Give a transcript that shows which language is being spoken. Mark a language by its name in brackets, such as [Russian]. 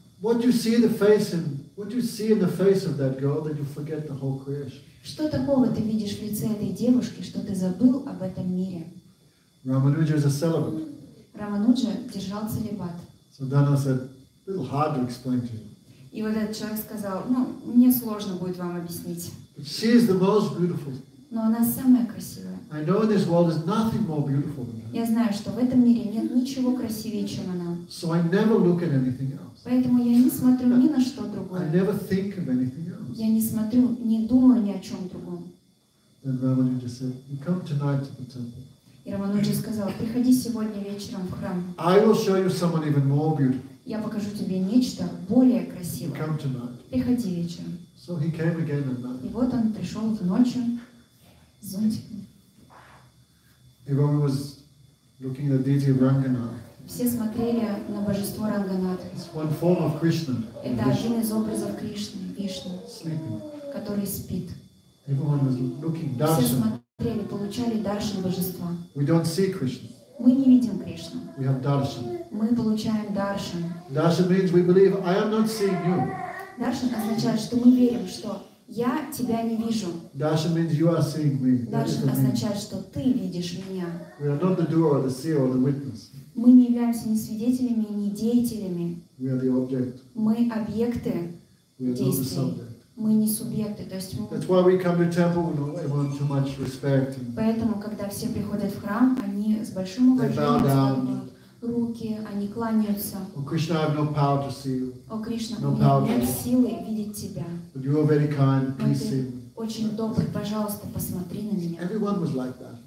[English] What do you see in the face and what do you see in the face of that girl that you forget the whole creation? [Russian] Что такого ты видишь в лице этой девушки, что ты забыл об этом мире? [English] Рамануджа is a celibate. [Russian] Рамануджа держал целибат. [English] So Dana said, a little hard to explain to you. [Russian] И вот этот человек сказал, ну, мне сложно будет вам объяснить. [English] But she is the most beautiful. [Russian] Но она самая красивая. [English] I know in this world is nothing more beautiful than her. [Russian] Я знаю, что в этом мире нет ничего красивее, чем она. [English] So I never look at anything else. [Russian] Поэтому я не смотрю ни на что другое. [English] I never think of anything else. [Russian] Я не смотрю, не думаю ни о чем другом. [English] Then Ramanuja said, you come tonight to the temple. [Russian] И Рамануджа сказал, приходи сегодня вечером в храм. [English] I will show you someone even more beautiful. [Russian] Я покажу тебе нечто более красивое. [English] You come tonight. [Russian] Приходи вечером. [English] So he came again at night. [Russian] И вот он пришел в ночь с зонтиком. [English] Everyone was looking at the deity of Ranganath. [Russian] Все смотрели на божество Ранганатха. Это [English] Vishnu. [Russian] Один из образов Кришны, Вишну, [English] sleeping. [Russian] Который спит. [English] Everyone was looking, [Russian] все смотрели, получали даршан божества. [English] We don't see Krishna. [Russian] Мы не видим Кришну. [English] We have darshan. [Russian] Мы получаем даршан. [English] Darshan means we believe I am not seeing you. [Russian] Даршан означает, что мы верим, что Я тебя не вижу. [English] Dasha means you are seeing me. [Russian] Dasha означает, что ты видишь меня. [English] We are not the doer, the seer, or the witness. [Russian] Мы не являемся ни свидетелями, ни деятелями. [English] We are the object. [Russian] Мы объекты действий. Мы не субъекты. То есть мы... [English] That's why we come to temple with everyone too much respect. And... [Russian] Поэтому, когда все приходят в храм, они с большим уважением склоняют руки, они кланяются. [English] О, Кришна, I have no power to see you. [Russian] О, Кришна, у меня нет силы видеть тебя. [English] But you are very kind. Please see me. [Russian] Очень добрый, пожалуйста, посмотри на меня. [English] Everyone was like that.